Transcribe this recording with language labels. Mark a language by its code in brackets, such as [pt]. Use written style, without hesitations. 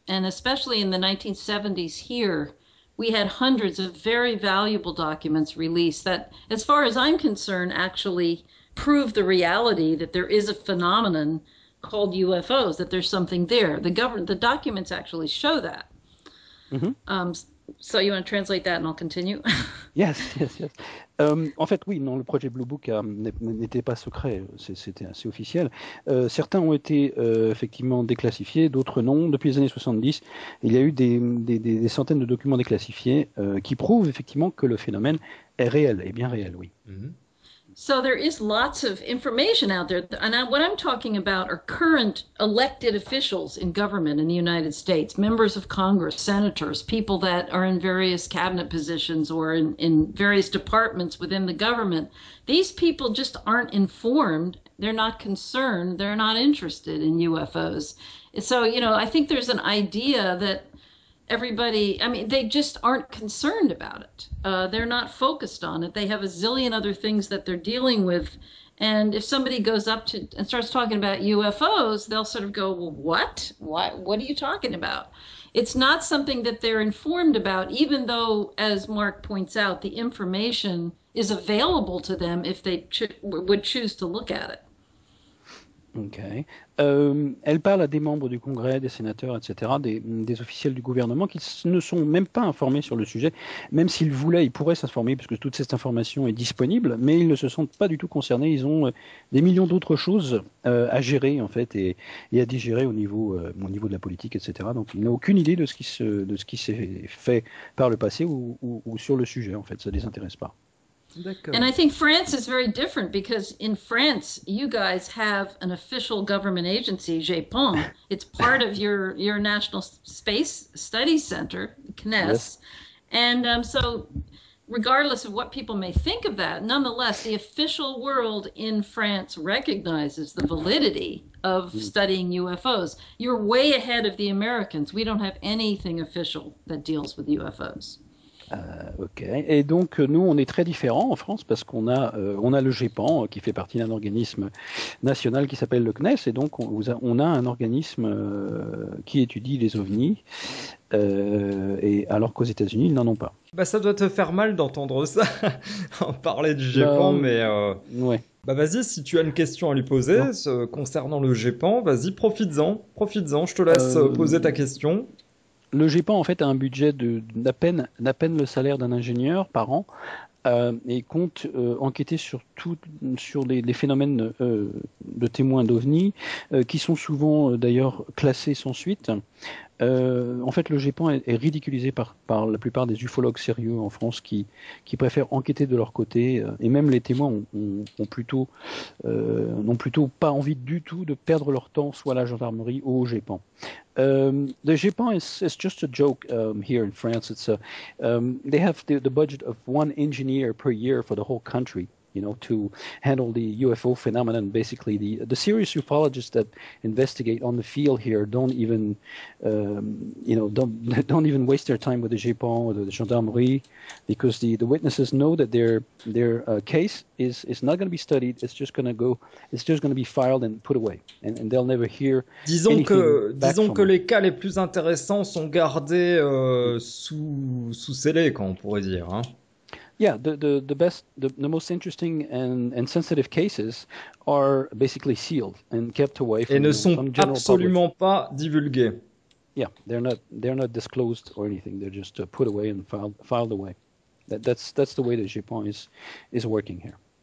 [en] And especially in the 1970s here, we had hundreds of very valuable documents released that, as far as I'm concerned, actually prove the reality that there is a phenomenon called UFOs, that there's something there. The documents actually show that. So you want to translate that and I'll continue? Yes. [fr] En fait, oui, non, le projet Blue Book n'était pas secret, c'était assez officiel. Certains ont été effectivement déclassifiés, d'autres non. Depuis les années 70, il y a eu des centaines de documents déclassifiés qui prouvent effectivement que le phénomène est réel, et bien réel, oui. [en] So there is lots of information out there. And what I'm talking about are current elected officials in government in the United States, members of Congress, senators, people that are in various cabinet positions or in various departments within the government. These people just aren't informed. They're not concerned. They're not interested in UFOs. So, you know, I think there's an idea that everybody, I mean, they just aren't concerned about it. They're not focused on it. They have a zillion other things that they're dealing with. And if somebody goes up to and starts talking about UFOs, they'll sort of go, well, what? What are you talking about? It's not something that they're informed about, even though, as Mark points out, the information is available to them if they would choose to look at it. Okay. [fr] Elle parle à des membres du Congrès, des sénateurs, etc., des officiels du gouvernement qui ne sont même pas informés sur le sujet. Même s'ils voulaient, ils pourraient s'informer parce que toute cette information est disponible, mais ils ne se sentent pas du tout concernés. Ils ont des millions d'autres choses à gérer, en fait, et à digérer au niveau de la politique, etc. Donc, ils n'ont aucune idée de ce qui s'est fait par le passé ou sur le sujet, en fait. Ça ne les intéresse pas. [en] And I think France is very different because in France, you guys have an official government agency, GEPON. It's part of your National Space Studies Center, CNES. Yes. And so regardless of what people may think of that, nonetheless, the official world in France recognizes the validity of studying UFOs. You're way ahead of the Americans. We don't have anything official that deals with UFOs. Ok. [fr] Et donc nous, on est très différents en France parce qu'on a le GEPAN qui fait partie d'un organisme national qui s'appelle le CNES, et donc on a un organisme qui étudie les ovnis, et alors qu'aux États-Unis, ils n'en ont pas. Bah, ça doit te faire mal d'entendre ça, en parler du GEPAN, mais ouais. Bah vas-y, si tu as une question à lui poser concernant le GEPAN, vas-y, profites-en, je te laisse poser ta question. Le GEPAN, en fait, a un budget d'à peine le salaire d'un ingénieur par an et compte enquêter sur les phénomènes de témoins d'OVNI qui sont souvent d'ailleurs classés sans suite. En fait, le GEPAN est ridiculisé par la plupart des ufologues sérieux en France qui préfèrent enquêter de leur côté et même les témoins n'ont plutôt pas envie du tout de perdre leur temps soit à la gendarmerie ou au GEPAN. [en] The GEPAN is just a joke here in France. It's a they have the budget of one engineer per year for the whole country, you know, to handle the UFO phenomenon. Basically, the serious ufologists that investigate on the field here don't even don't even waste their time with the GEPAN or the gendarmerie, because the witnesses know that their case is not going to be studied. It's just going to be filed and put away, and they'll never hear. [fr] Disons que les cas les plus intéressants sont gardés sous scellé, quand on pourrait dire, hein. [en] Yeah, the most interesting and sensitive cases are basically sealed and kept away from the general public. [fr] Et ne sont absolument pas divulgués. [en] Yeah, they're not disclosed or anything. They're just put away and filed away. That's the way the GEPAN is working here.